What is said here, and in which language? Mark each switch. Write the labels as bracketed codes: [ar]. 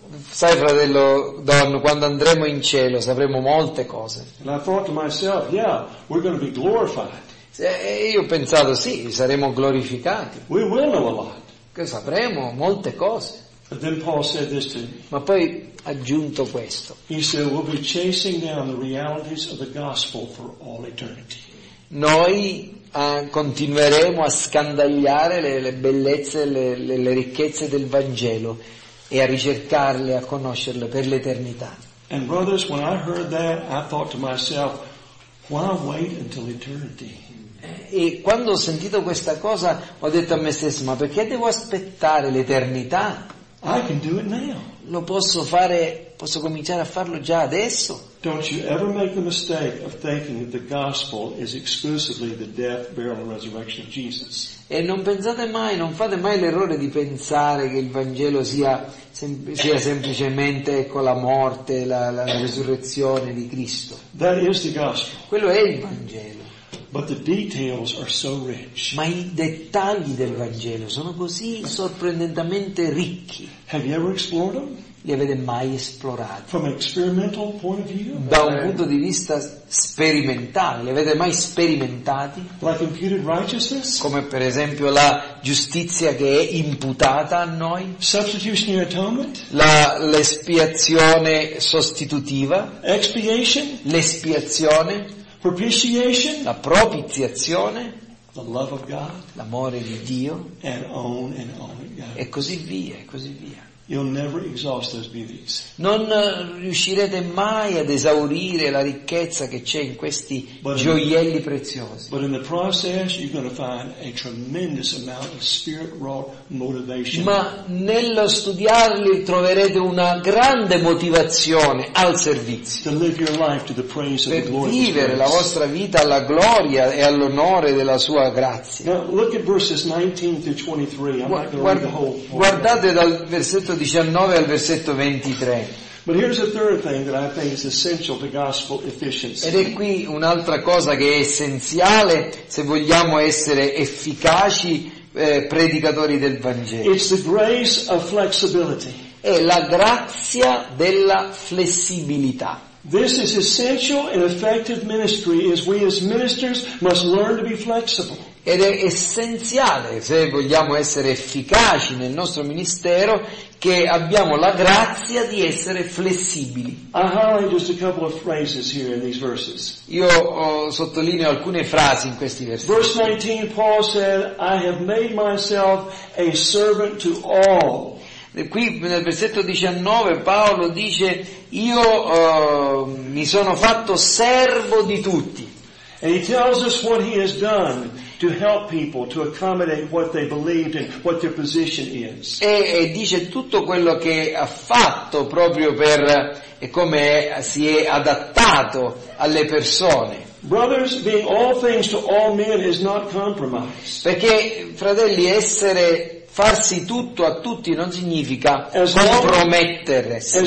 [it] Sai, fratello Don, quando andremo in cielo sapremo molte cose. [en] And I thought to myself, "Yeah, we're going to be glorified." [it] E io ho pensato, sì, saremo glorificati. [en] We will know a lot. [it] Che sapremo molte cose. [en] But then Paul said this to me. [it] Ma poi ha aggiunto questo. [en] He said, "We'll be chasing down the realities of the gospel for all eternity." [it] Noi continueremo a scandagliare le bellezze, le ricchezze del Vangelo e a ricercarle, a conoscerle per l'eternità. [en] And brothers, when I heard that, I thought to myself, why wait until eternity? [it] E quando ho sentito questa cosa, ho detto a me stesso, ma perché devo aspettare l'eternità? [en] I can do it now. [it] Lo posso fare, posso cominciare a farlo già adesso. [en] Don't you ever make the mistake of thinking that the gospel is exclusively the death, burial, and resurrection of Jesus. [it] E non pensate mai, non fate mai l'errore di pensare che il Vangelo sia semplicemente con la morte, la resurrezione di Cristo. [en] That is the gospel. [it] Quello è il Vangelo. [en] But the details are so rich. [it] Ma i dettagli del Vangelo sono così sorprendentemente ricchi. [en] Have you ever explored them? [it] Li avete mai esplorati? [en] From an experimental point of view, [it] da un punto di vista sperimentale, li avete mai sperimentati? [en] Like imputed righteousness? [it] Come per esempio la giustizia che è imputata a noi? [en] Substitutionary atonement? [it] L'espiazione sostitutiva? [en] Expiation? [it] L'espiazione? [en] Propitiation? [it] La propiziazione? [en] The love of God? [it] L'amore di Dio? [en] And on it goes. [it] E così via, e così via. [en] You'll never exhaust those beauties. [it] Non riuscirete mai ad esaurire la ricchezza che c'è in questi gioielli preziosi. [en] But in the process you're going to find a tremendous amount of spirit-wrought motivation. [it] Ma nello studiarli troverete una grande motivazione al servizio. [en] To live your life to the praise of the glory. [it] Per vivere la vostra vita alla gloria e all'onore della sua grazia. [en] Now look at verses 19 to 23. I'm not going to read the whole. [it] Guardate dal versetto 19 al versetto 23. [en] But here's a third thing that I think is essential to gospel efficiency. [it] Ed è qui un'altra cosa che è essenziale se vogliamo essere efficaci predicatori del Vangelo. [en] It's the grace of flexibility. [it] È la grazia della flessibilità. [en] This is essential in effective ministry, as we as ministers must learn to be flexible. [it] Ed è essenziale, se vogliamo essere efficaci nel nostro ministero, che abbiamo la grazia di essere flessibili. Io sottolineo alcune frasi in questi versi. [en] Verse 19, Paul said, "I have made myself a servant to all." [it] Qui nel versetto 19 Paolo dice, io mi sono fatto servo di tutti. [en] And he tells us what he has done to help people, to accommodate what they believed and what their position is. [it] E dice tutto quello che ha fatto proprio per e come si è adattato alle persone. [en] Brothers, being all things to all men is not compromise. [it] Perché fratelli, essere farsi tutto a tutti non significa compromettere.